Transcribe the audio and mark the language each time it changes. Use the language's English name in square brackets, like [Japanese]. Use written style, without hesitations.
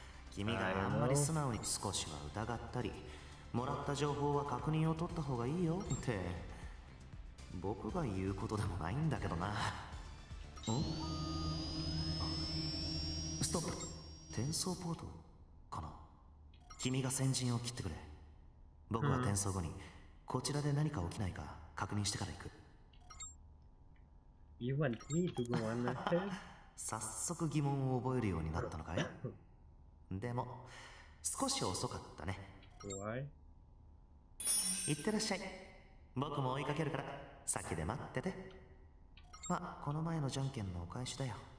[Japanese] 君があんまり素直に少しは疑ったり、もらった情報は確認を取った方がいいよって、僕が言うことでもないんだけどな。ん？ストップ。転送ポートかな。君が先陣を切ってくれ。僕は転送後にこちらで何か起きないか確認してから行く。 [English] You want me to go on the head? [Japanese] 早速疑問を覚えるようになったのかい？でも少し遅かったね。 [English] Why? [Japanese] 行ってらっしゃい。僕も追いかけるから先で待ってて。まあ、この前のじゃんけんのお返しだよ。